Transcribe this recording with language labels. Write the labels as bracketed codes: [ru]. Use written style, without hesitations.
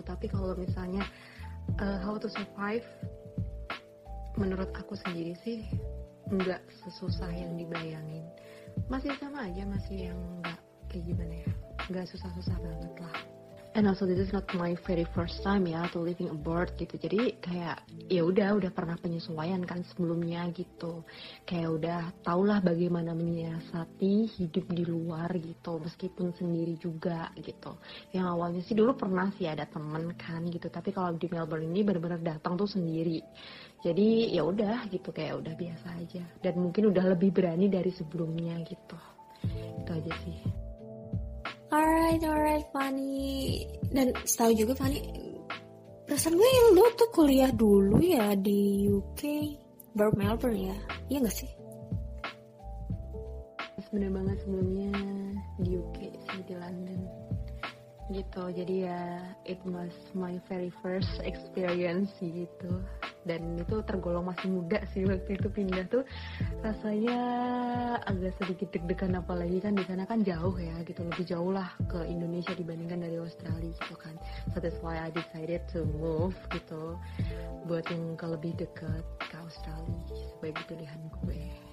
[id] Tapi kalau misalnya [en] how to survive, [id] menurut aku sendiri sih nggak sesusah yang dibayangin, masih sama aja, masih yang nggak kayak gimana ya, nggak susah-susah banget lah. [en] And also this is not my very first time ya to living abroad gitu. [id] Jadi kayak ya udah pernah penyesuaian kan sebelumnya gitu. Kayak udah taulah bagaimana menyiasati hidup di luar gitu, meskipun sendiri juga gitu. Yang awalnya sih dulu pernah sih ada teman kan gitu, tapi kalau di Melbourne ini benar-benar datang tuh sendiri. Jadi ya udah gitu, kayak udah biasa aja dan mungkin udah lebih berani dari sebelumnya gitu. Itu aja sih. Alright, Fani. Dan setahu juga Fani, perasaan gue yang lo tuh kuliah dulu ya di UK, baru Melbourne ya, iya gak sih? Sebenernya banget sebelumnya di UK sih, di London gitu. [en] Jadi ya, it was my very first experience gitu. [id] Dan itu tergolong masih muda sih waktu itu pindah tuh. Rasanya agak sedikit deg-degan, apalagi kan di sana kan jauh ya gitu. Lebih jauh lah ke Indonesia dibandingkan dari Australia gitu kan. [en] So that's why I decided to move [id] gitu, buat yang ke lebih dekat ke Australia sebagai pilihan gue.